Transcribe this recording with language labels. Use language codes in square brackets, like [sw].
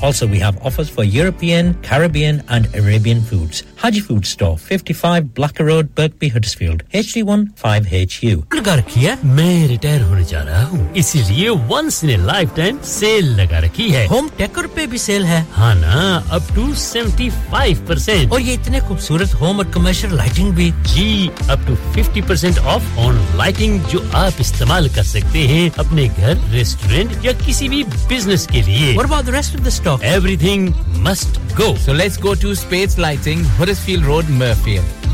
[en] Also, we have offers for European, Caribbean and Arabian foods. Haji Food Store, 55 Blacker Road, Birkby, Huddersfield, HD15HU. [hi] लगा रखी है, मैं retire होने जा रहा हूँ. इसीलिए [en] once in a lifetime sale [hi] लगा रखी है. Home Decor पे भी sale है. हाँ ना, [en] up to 75%. [hi] और ये इतने खूबसूरत home और commercial lighting भी. जी, [en] up to 50% off on lighting [hi] जो आप इस्तेमाल कर सकते हैं अपने घर, restaurant या किसी भी business के लिए. [en] What about the rest of the stock? Everything must go. So let's go to Spades Lighting, Huddersfield Road, Murfield.